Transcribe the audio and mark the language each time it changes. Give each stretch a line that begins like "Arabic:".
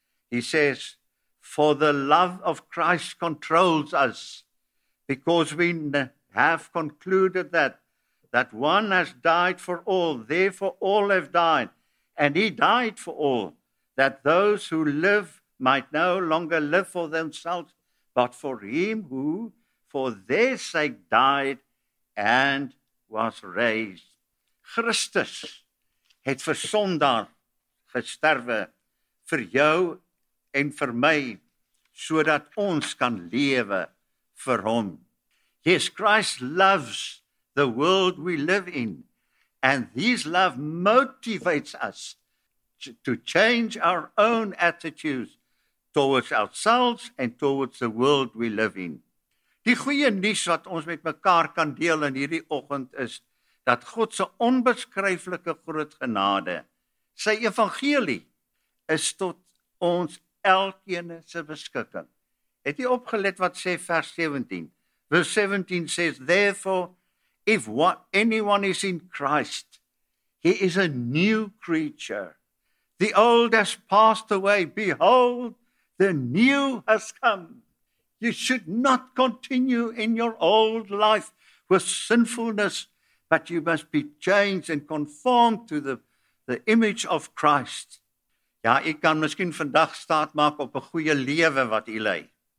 English: He says, for the love of Christ controls us, because we have concluded that one has died for all, therefore all have died, and he died for all, that those who live might no longer live for themselves, but for him who for their sake died and was raised.
Afrikaans: Christus het vir sondaar gesterwe vir jou en vir my, sodat ons kan lewe vir hom.
English: Yes, Christ loves the world we live in, and his love motivates us to change our own attitudes towards ourselves and towards the world we live in.
Afrikaans: Die goeie nuus wat ons met mekaar kan deel in hierdie oggend is dat God se onbeskryflike groot genade, sy evangelie, is tot ons elkeen se beskikking. Het jy opgelet wat sê vers 17?
English: Verse 17 says, therefore, if what anyone is in Christ, he is a new creature. The old has passed away. Behold, the new has come. You should not continue in your old life with sinfulness, but you must be changed and conformed to the image of Christ.
Afrikaans: Ja, u kan miskien vandag staat maak op 'n goeie lewe wat u lei.